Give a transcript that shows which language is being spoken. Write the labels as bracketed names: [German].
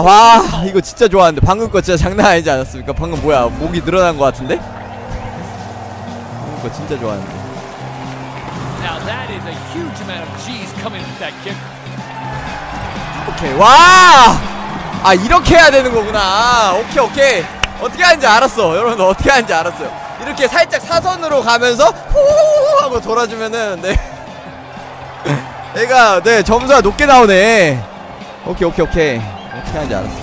[Korean] 와, 이거 진짜 좋아하는데. 방금 거 진짜 장난 아니지 않았습니까? 방금 뭐야, 목이 늘어난 거 같은데? 방금 거 진짜 좋아하는데. [English] Now that is a huge amount of G's coming with that kick. [Korean] 오케이. 와! 아, 이렇게 해야 되는 거구나. 아, 오케이, 오케이. 어떻게 하는지 알았어. 여러분들 어떻게 하는지 알았어요. 이렇게 살짝 사선으로 가면서 후 하고 돌아주면은 네. 얘가 네 점수가 높게 나오네. 오케이 오케이 오케이. 어떻게 하는지 알았어.